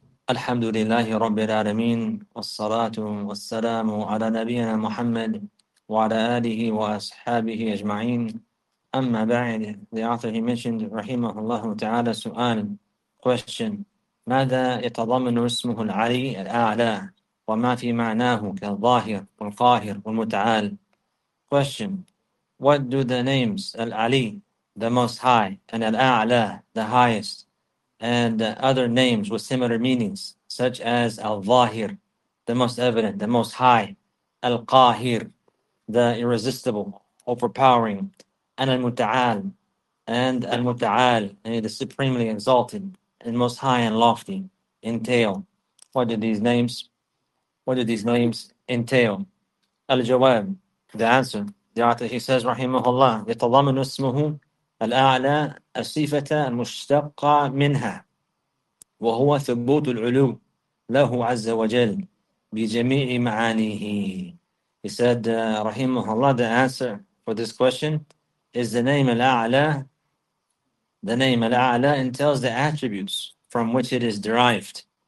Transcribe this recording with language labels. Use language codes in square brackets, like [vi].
[ar] الحمد لله رب العالمين، والصلاة والسلام على نبينا محمد وعلى آله وأصحابه أجمعين. أما بعد، [en] the author he mentioned [ar] رحمه الله تعالى سؤال question: ماذا يتضمن اسمه العلي الأعلى، وما في معناه كالظاهر والقاهر والمتعال؟ [en] question: What do the names العلي the most high and الأعلى the highest and other names with similar meanings, such as Al-Zahir, the most evident, the most high, Al-Qahir, the irresistible, overpowering, and Al-Muta'al, and Al-Muta'al, the supremely exalted, and most high and lofty, entail? What do these names entail? Al-Jawab, the answer. The author, he says, Rahimahullah, [ar] يتضمن اسمه الأعلى الصفة المشتقة منها وهو ثبوت العلو له عز وجل بجميع معانيه. [en] He said, Rahimahullah, the answer for this question is the name Al-A'la. The name Al-A'la entails the attributes from which it is derived.